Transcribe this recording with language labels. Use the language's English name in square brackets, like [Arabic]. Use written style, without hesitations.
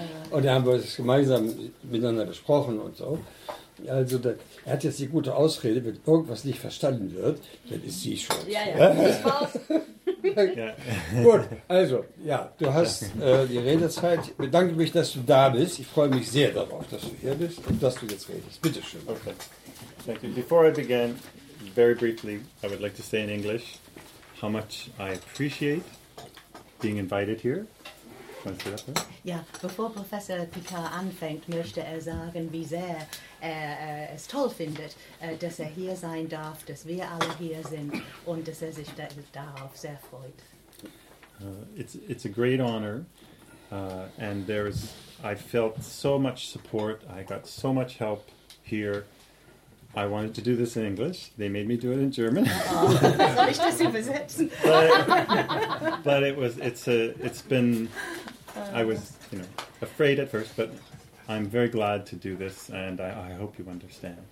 [German] Und da haben wir es gemeinsam miteinander besprochen und so. Also, er hat jetzt die gute Ausrede, wenn irgendwas nicht verstanden wird, dann ist sie schuld. Ja, ja. Ja. Gut, also, ja, du hast die Redezeit. Ich bedanke mich, dass du da bist. Ich freue mich sehr darauf, dass du hier bist und dass du jetzt redest. Bitte schön. [English] Okay. Thank you. Before I begin, very briefly, I would like to say in English how much I appreciate being invited here. [German] Ja, bevor Professor Picard anfängt, möchte er sagen, wie sehr er es toll findet, dass er hier sein darf, dass wir alle hier sind und dass er sich darauf sehr freut. [English] It's a great honor, and there's, I felt so much support, I got so much help here. I wanted to do this in English. They made me do it in German. [German] Soll ich das übersetzen? [English] But it was, I was, you know, afraid at first, but I'm very glad to do this, and I hope you understand.